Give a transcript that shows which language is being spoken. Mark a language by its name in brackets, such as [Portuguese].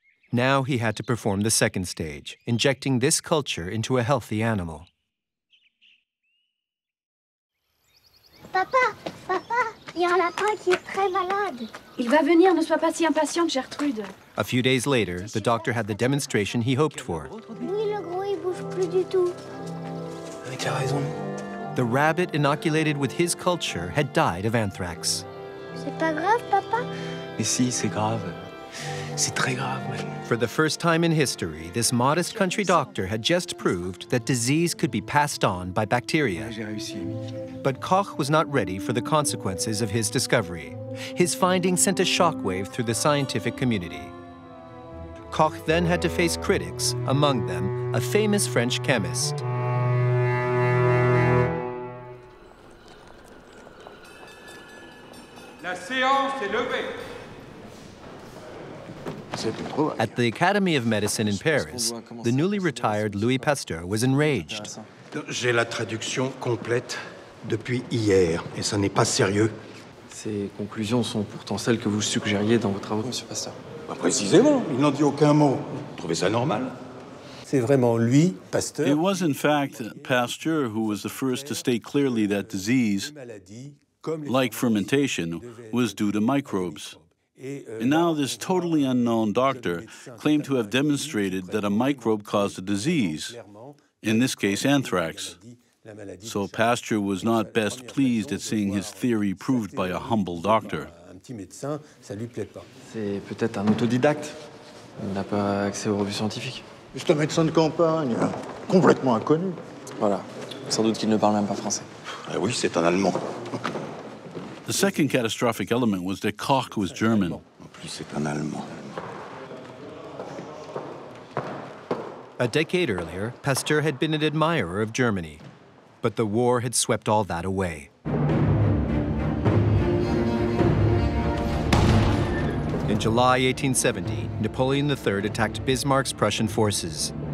[English] Now he had to perform the second stage, injecting this culture into a healthy animal. [French] Papa, papa, il y a un lapin qui est très malade. Il va venir, ne sois pas si impatiente, Gertrude. [English] A few days later, the doctor had the demonstration he hoped for. [French] Oui, le gros, il bouge plus du tout. Avec la raison. [English] The rabbit inoculated with his culture had died of anthrax. [French] C'est pas grave, papa? Mais si, c'est grave. C'est très grave, oui. [English] For the first time in history, this modest country doctor had just proved that disease could be passed on by bacteria. [French] Oui, j'ai réussi, Amy. [English] But Koch was not ready for the consequences of his discovery. His findings sent a shockwave through the scientific community. Koch then had to face critics, among them a famous French chemist. [French] La séance est levée. [English] At the Academy of Medicine in Paris, the newly retired Louis Pasteur was enraged. [French] J'ai la traduction complète depuis hier, et ça n'est pas sérieux. Ces conclusions sont pourtant celles que vous suggériez dans vos travaux, monsieur Pasteur. Bah précisément, il n'en dit aucun mot. Vous trouvez ça normal? C'est vraiment lui, Pasteur. [English] It was in fact Pasteur who was the first to state clearly that disease, like fermentation, was due to microbes. And now this totally unknown doctor claimed to have demonstrated that a microbe caused a disease, in this case anthrax. So Pasteur was not best pleased at seeing his theory proved by a humble doctor. [French] C'est peut-être un autodidacte. Il n'a pas accès aux revues scientifiques. C'est un médecin de campagne, complètement inconnu. Voilà, sans doute qu'il ne parle même pas français. Eh oui, c'est un Allemand. [English] The second catastrophic element was that Koch was German. [French] En plus, c'est un Allemand. [English] A decade earlier, Pasteur had been an admirer of Germany. But the war had swept all that away. In July 1870, Napoleon III attacked Bismarck's Prussian forces.